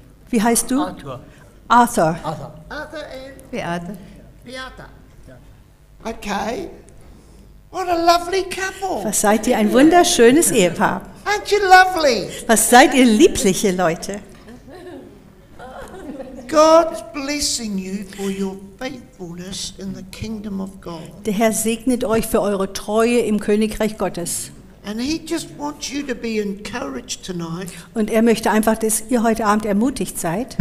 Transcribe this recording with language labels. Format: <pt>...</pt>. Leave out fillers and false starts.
<de>Wie heißt du? Arthur. Arthur. Arthur</de> <en>and Beata. Beata. Okay. What a lovely couple.</en> <de>Was seid ihr ein wunderschönes Ehepaar.</de> <en>Aren't you lovely?</en> <de>Was seid ihr liebliche Leute.</de> <en>God's blessing you for your faithfulness in the kingdom of God.</en> <de>Der Herr segnet euch für eure Treue im Königreich Gottes.</de> <en>And he just wants you to be encouraged tonight.</en> <de>Und er möchte einfach, dass ihr heute Abend ermutigt seid.</de>